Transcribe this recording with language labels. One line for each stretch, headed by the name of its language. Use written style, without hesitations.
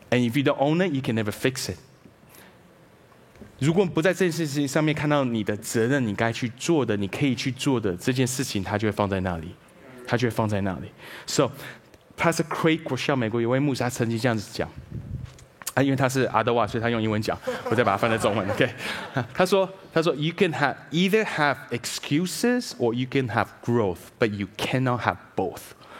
English: And if you don't own it, you can never fix it.
Chinese: 如果不在这件事情上面看到你的责任，你该去做的，你可以去做的这件事情，它就会放在那里，它就会放在那里。 So, Pastor Craig Groeschel， 美国一位牧师，他曾经这样子讲。因为他是阿德瓦，所以他用英文讲，我再把它翻成中文。
English: OK，
Chinese: 他说
English: ，You can have either have excuses or you can have growth, but you cannot have both.